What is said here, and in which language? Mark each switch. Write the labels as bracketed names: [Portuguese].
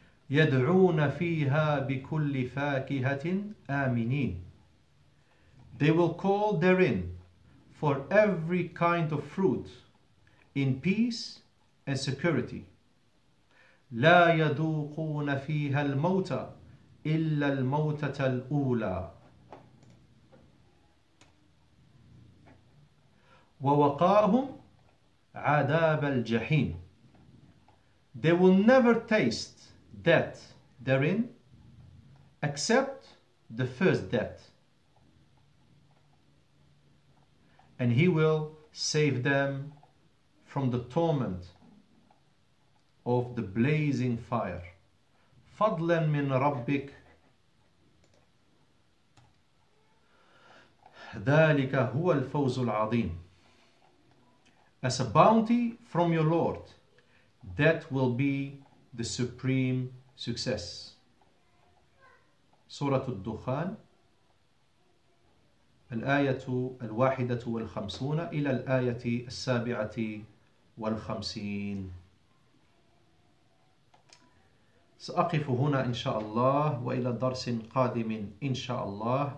[Arabic] يدعون فيها بكل فاكهة آمنين. [English] They will call therein for every kind of fruit in peace and security. [Arabic] لا يذوقون فيها الموت إلا الموتة الأولى. ووقاهم عذاب الجحيم. [English] They will never taste death therein except the first death, and he will save them from the torment of the blazing fire. [Arabic] فضلا من ربك ذلك هو الفوز العظيم. [English] As a bounty from your Lord, that will be the supreme success. [Arabic] سورة الدخان الآية الواحدة والخمسون إلى الآية السابعة والخمسين. سأقف هنا إن شاء الله, وإلى درس قادم إن شاء الله.